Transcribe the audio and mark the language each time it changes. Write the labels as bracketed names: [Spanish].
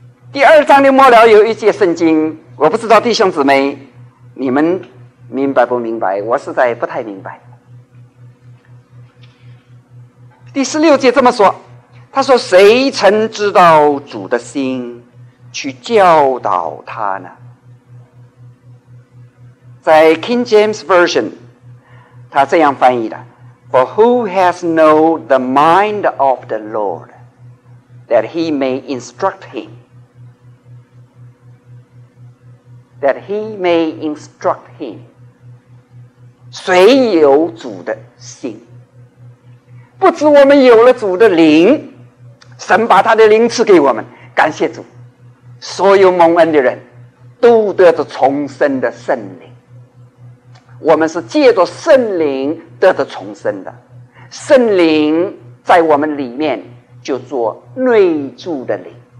[Chinese] 第二章的末了有一节圣经，我不知道弟兄姊妹你们明白不明白，我实在不太明白。第十六节这么说，他说谁曾知道主的心去教导他呢？在 [English] King James Version [Chinese] 他这样翻译的， [English] For who has known the mind of the Lord that he may instruct him, that he may instruct him. [Chinese] 谁有主的心？不止我们有了主的灵，神把他的灵赐给我们，感谢主，所有蒙恩的人都得着重生的圣灵，我们是借着圣灵得着重生的，圣灵在我们里面就做内住的灵，